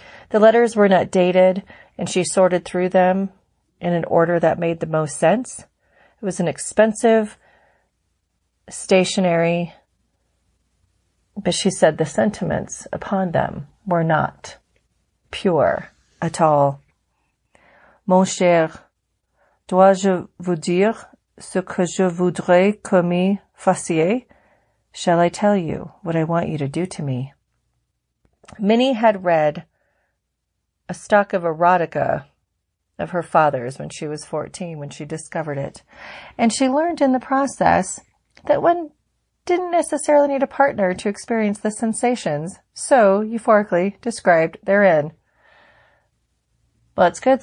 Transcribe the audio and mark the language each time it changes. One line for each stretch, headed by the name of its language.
English: The letters were not dated, and she sorted through them in an order that made the most sense. It was an expensive stationery, but she said the sentiments upon them were not pure at all.
French: Mon cher, dois-je vous dire ce que je voudrais que me fassiez?
English: Shall I tell you what I want you to do to me? Minnie had read a stock of erotica of her father's when she was 14, when she discovered it. And she learned in the process that one didn't necessarily need a partner to experience the sensations so euphorically described therein. Well, it's good.